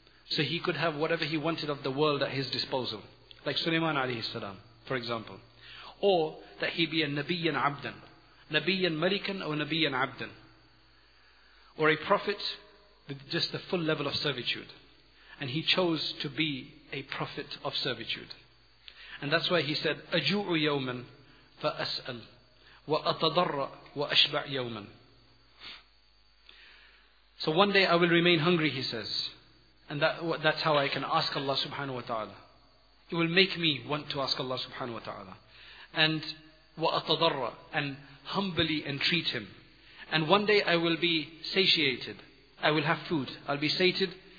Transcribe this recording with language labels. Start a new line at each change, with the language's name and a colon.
English: So he could have whatever he wanted of the world at his disposal. Like Sulaiman alayhi salam. for example. Or that he be a Nabiyan Abdan. Nabiyan Malikan or Nabiyan Abdan. Or a prophet with just the full level of servitude. And he chose to be a prophet of servitude. And that's why he said,
Arabic: أَجُوعُ يَوْمًا فَأَسْأَلْ وَأَتَضَرَّ وَأَشْبَعْ يَوْمًا.
English: So one day I will remain hungry, he says. And that's how I can ask Allah subhanahu wa ta'ala. It will make me want to ask Allah subhanahu wa ta'ala. And وَأَتَضَرَّ, and humbly entreat Him. And one day I will be satiated. I will have food. I'll be sated.